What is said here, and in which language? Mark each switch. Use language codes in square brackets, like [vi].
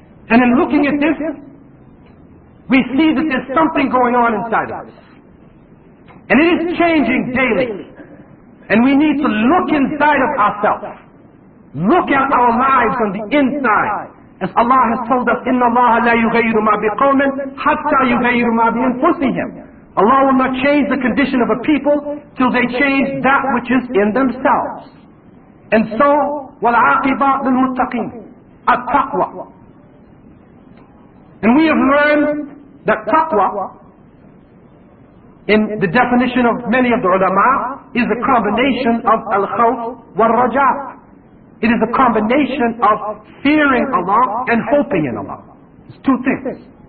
[en] And in looking at this, we see that there's something going on inside of us. And it is changing daily. And we need to look inside of ourselves. Look at our lives on the inside. As Allah has told us, [ar] إِنَّ اللَّهَ لَا يُغَيِّرُ مَا بِقَوْمٍ حَتَّى يُغَيِّرُ مَا بِأَنفُسِهِمْ. [en] Allah will not change the condition of a people till they change that which is in themselves. And so, [ar] وَالْعَاقِبَةُ لِلْمُتَّقِينَ التَّقْوَى. [en] And we have learned that taqwa, in the definition of many of the ulama, is a combination of al-khawf wal-raja. It is a combination of fearing Allah and hoping in Allah. It's two things.